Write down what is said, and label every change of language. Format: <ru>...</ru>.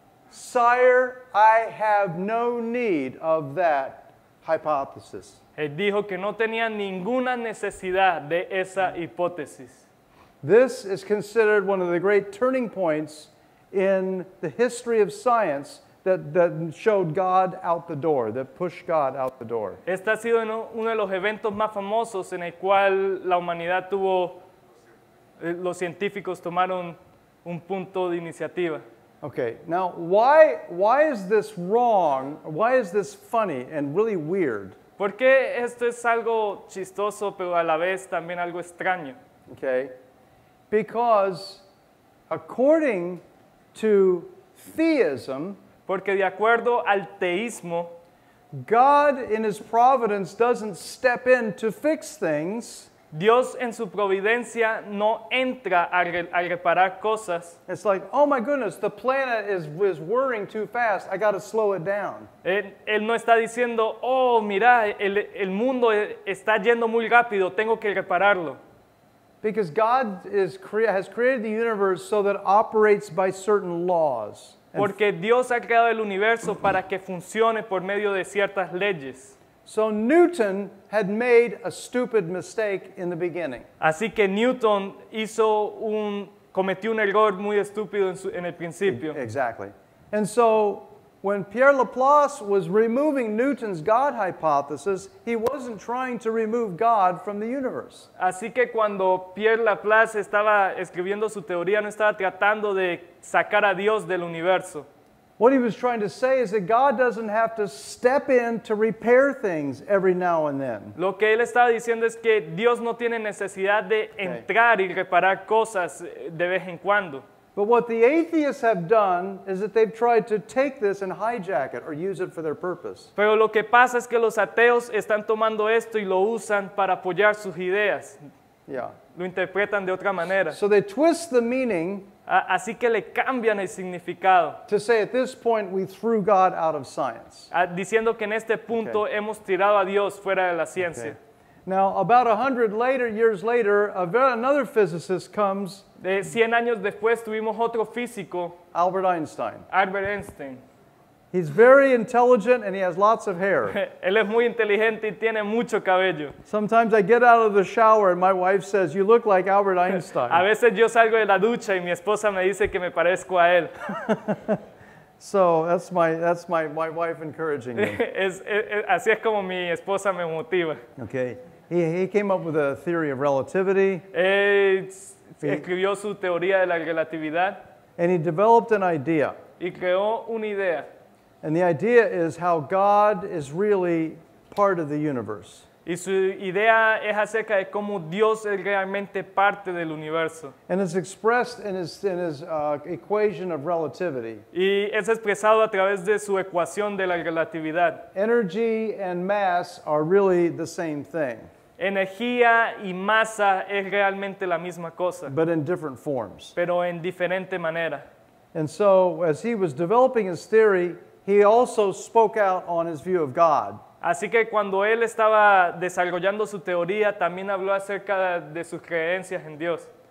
<en>Sire, I have no need of that hypothesis.</en> <es>Él dijo que no tenía ninguna necesidad de esa hipótesis.</es> <en>This is considered one of the great turning points in the history of science that showed God out the door, that pushed God out the door.</en> <es>Este ha sido uno de los eventos más famosos en el cual la humanidad tuvo, los científicos tomaron un punto de iniciativa.</es> <en>Okay, now why is this wrong? Why is this funny and really weird?</en> <es>¿Por qué esto es algo chistoso pero a la vez también algo extraño?</es> <en>Okay. Because according to theism,</en> <es>porque de acuerdo al teísmo,</es> <en>God in his providence doesn't step in to fix things.</en> <es>Dios en su providencia no entra a reparar cosas.</es> <en>It's like, oh my goodness, the planet is whirring too fast. I got to slow it down.</en> <es>Él no está diciendo, oh, mira, el mundo está yendo muy rápido. Tengo que repararlo.</es> <en>Because God has created the universe so that it operates by certain laws.</en> <es>Porque Dios ha creado el universo para que funcione por medio de ciertas leyes.</es> <en>So Newton had made a stupid mistake in the beginning.</en> <es>Así que Newton hizo un cometió un error muy estúpido en, su, en el principio.</es> <en>Exactly. And so when Pierre Laplace was removing Newton's God hypothesis, he wasn't trying to remove God from the universe.</en> <es>Así que cuando Pierre Laplace estaba escribiendo su teoría, no estaba tratando de sacar a Dios del universo.</es> <en>What he was trying to say is that God doesn't have to step in to repair things every now and then.</en> <es>Lo que él estaba diciendo es que Dios no tiene necesidad de entrar y reparar cosas de vez en cuando.</es> <en>But what the atheists have done is that they've tried to take this and hijack it or use it for their purpose.</en> <es>Pero lo que pasa es que los ateos están tomando esto y lo usan para apoyar sus ideas.</es> <en>Yeah.</en> <es>Lo interpretan de otra manera.</es> <en>So they twist the meaning.</en> <es>Así que le cambian el significado.</es> <en>To say at this point we threw God out of science.</en> <es>Diciendo que en este punto okay. hemos tirado a Dios fuera de la ciencia.</es> <en>Okay. Now, about 100 later, years later, another physicist comes.</en> <es>100 años después, tuvimos otro físico.</es> <en>Albert Einstein.</en> <es>Albert Einstein.</es> <en>He's very intelligent and he has lots of hair.</en> <es>Él es muy inteligente y tiene mucho cabello.</es> <en>Sometimes I get out of the shower and my wife says, "You look like Albert Einstein."</en> <es>A veces yo salgo de la ducha y mi esposa me dice que me parezco a él.</es> <en>So that's my wife encouraging me.</en> <es>Así es como mi esposa me motiva.</es> <en>Okay. He came up with a theory of relativity.</en> <es>Escribió su teoría de la relatividad.</es> <en>And he developed an idea.</en> <es>Y creó una idea.</es> <en>And the idea is how God is really part of the universe.</en> <es>Y su idea es acerca de cómo Dios es realmente parte del universo.</es> <en>And it's expressed in his equation of relativity.</en> <es>Y es expresado a través de su ecuación de la relatividad.</es> <en>Energy and mass are really the same thing.</en> <es>Energía y masa es realmente la misma cosa.</es> <en>But in different forms.</en> <es>Pero en diferente manera.</es> <en>And so as he was developing his theory, he also spoke out on his view of God.</en> <es>Así que cuando él estaba desarrollando su teoría, también habló acerca de sus creencias en Dios.</es>